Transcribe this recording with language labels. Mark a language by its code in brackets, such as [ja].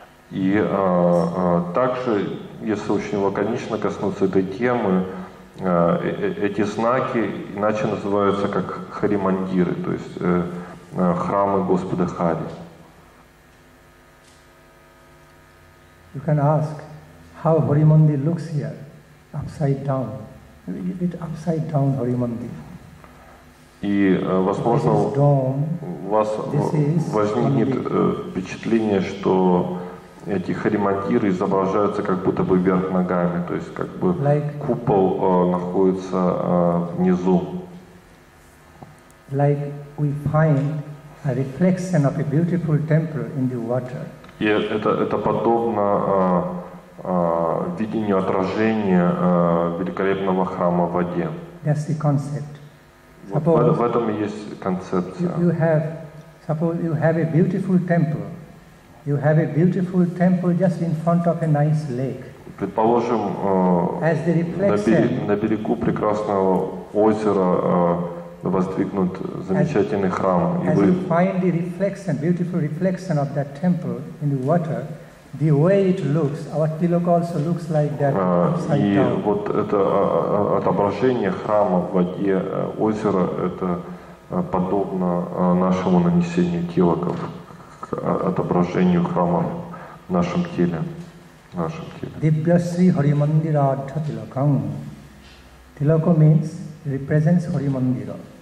[ru] И также, если очень лаконично коснуться этой темы, эти знаки иначе называются как Хари Мандиры, то есть храмы Господа Хари. [en] You can ask how Hari Mandir looks here, upside down. It upside down Hari Mandir. [ru] И, возможно, у вас возникнет впечатление, что эти харимандиры изображаются как будто бы вверх ногами, то есть как бы купол находится внизу. [en] Like we find a reflection of a beautiful temple in the water. [ru] И это подобно видению отражения великолепного храма в воде. [en] That's the concept. [ru] В этом и есть концепция. [en] Suppose you have a beautiful temple. You have a beautiful temple just in front of a nice lake. [ru] Предположим, на берегу прекрасного озера воздвигнут замечательный храм. [en] As you find the reflection, beautiful reflection of that temple in the water, the way it looks, our tilaka also looks like that. [ru] И вот это отображение храма в воде озера, это подобно нашему нанесению тилаков, к отображению храма в нашем теле. Дивьяшри Хари Мандира Ардха Тилакам. Тилака [en] means represents [ru] Хари Мандира.